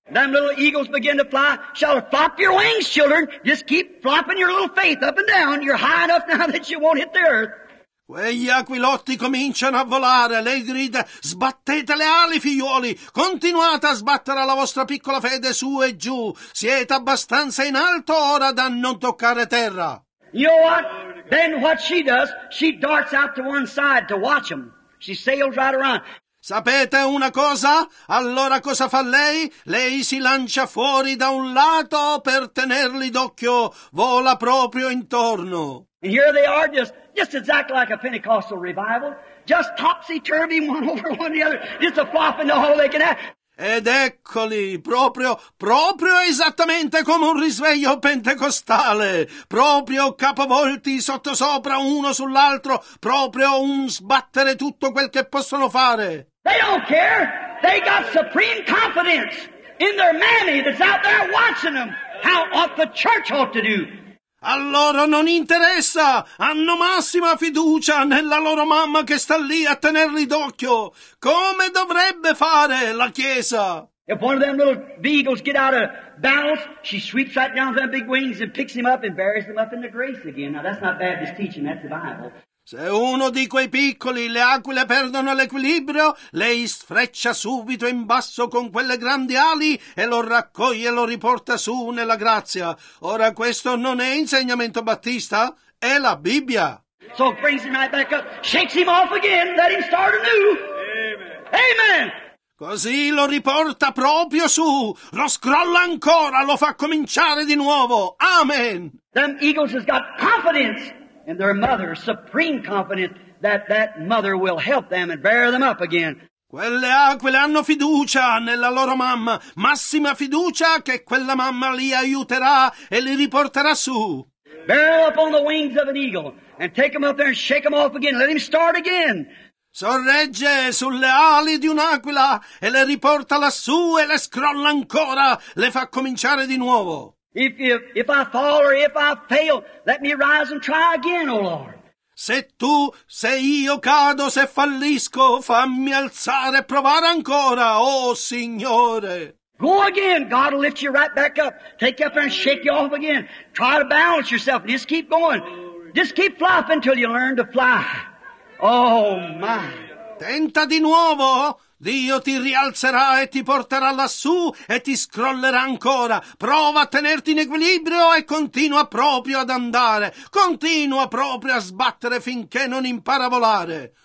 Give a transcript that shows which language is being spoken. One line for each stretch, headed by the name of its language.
English: Them little eagles begin to fly. Shall flop your wings, children. Just keep flopping your little faith up and down. You're high enough now that you won't hit the earth.
Italian: Quegli aquilotti cominciano a volare. Lei grida, sbattete le ali, figliuoli. Continuate a sbattere la vostra piccola fede su e giù. Siete abbastanza in alto ora da non toccare terra.
English: You know what? Then what she does, she darts out to one side to watch them. She sails right around.
Italian: Sapete una cosa? Allora cosa fa lei? Lei si lancia fuori da un lato per tenerli d'occhio, vola proprio intorno.
English: And here they are, just exactly like a Pentecostal revival, just topsy-turvy one over one the other, just a flopping all they can have.
Italian: Ed eccoli, proprio esattamente come un risveglio pentecostale, proprio capovolti sottosopra uno sull'altro, proprio un sbattere tutto quel che possono fare.
English: They don't care, they got supreme confidence in their mammy that's out there watching them, how what the church ought to do.
Italian: A loro non interessa, hanno massima fiducia nella loro mamma che sta lì a tenerli d'occhio. Come dovrebbe fare la Chiesa?
English: If one of them little beagles get out of balance, she sweeps right down with them big wings and picks him up and buries him up in the grace again. Now that's not Baptist teaching, that's the Bible.
Italian: Se uno di quei piccoli, le aquile perdono l'equilibrio, lei sfreccia subito in basso con quelle grandi ali e lo raccoglie e lo riporta su nella grazia. Ora questo non è insegnamento battista, è la Bibbia.
English: So brings him right back up, shakes him off again, let him start anew. Amen. Amen.
Italian: Così lo riporta proprio su, lo scrolla ancora, lo fa cominciare di nuovo.
English: Amen. Them eagles has got confidence. And their mother, supreme confidence, that mother will help them and bear them up again.
Italian: Quelle aquile hanno fiducia nella loro mamma, massima fiducia che quella mamma li aiuterà e li riporterà su.
English: Bear them up on the wings of an eagle and take them up there and shake them off again. Let him start again.
Italian: Sorregge sulle ali di un'aquila e le riporta lassù e le scrolla ancora, le fa cominciare di nuovo.
English: If I fall or if I fail, let me rise and try again, O Lord.
Italian: Se tu, se io cado, se fallisco, fammi alzare e provare ancora, oh Signore.
English: Go again, God will lift you right back up. Take you up there and shake you off again. Try to balance yourself. Just keep going. Just keep flopping until you learn to fly. Oh my.
Italian: Tenta di nuovo. Dio ti rialzerà e ti porterà lassù e ti scrollerà ancora. Prova a tenerti in equilibrio e continua proprio ad andare. Continua proprio a sbattere finché non impara a volare.